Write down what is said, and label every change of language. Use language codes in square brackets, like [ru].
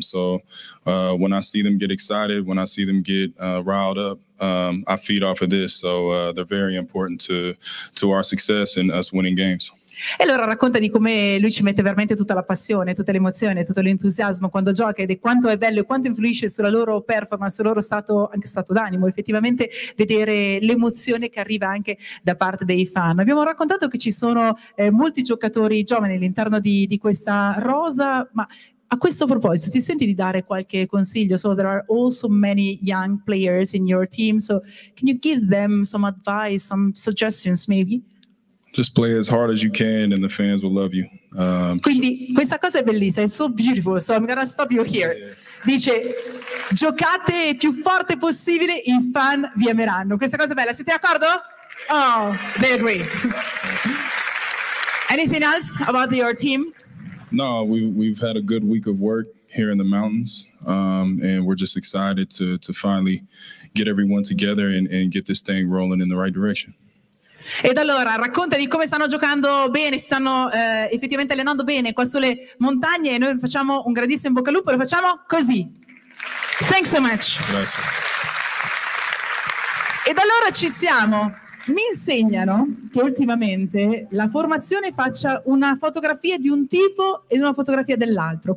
[en] So when I see them get excited, when I see them get riled up, I feed off of this. So they're very important to our success and us winning games. [it] E allora racconta di come lui ci mette veramente tutta la passione, tutta l'emozione, tutto l'entusiasmo quando gioca ed è quanto è bello e quanto influisce sulla loro performance, sul loro stato, anche stato d'animo, effettivamente vedere l'emozione che arriva anche da parte dei fan. Abbiamo raccontato che ci sono molti giocatori giovani all'interno di questa rosa, ma a questo proposito ti senti di dare qualche consiglio? [en] So there are also many young players in your team, so can you give them some advice, some suggestions maybe? Just play as hard as you can and the fans will love you. [it] Quindi questa cosa è bellissima, [en] it's so beautiful, so I'm gonna stop you here. [it] Dice, giocate più forte possibile, i fan vi ameranno. Questa cosa è bella, siete d'accordo? [en] Oh, they agree. Anything else about your team? No, we've had a good week of work here in the mountains and we're just excited to finally get everyone together and get this thing rolling in the right direction. [it] Ed allora racconta di come stanno giocando bene, stanno effettivamente allenando bene qua sulle montagne e noi facciamo un grandissimo in bocca al lupo, lo facciamo così. [en] Thanks so much. [it] Grazie. Ed allora ci siamo. Mi insegnano che ultimamente la formazione faccia una fotografia di un tipo e una fotografia dell'altro.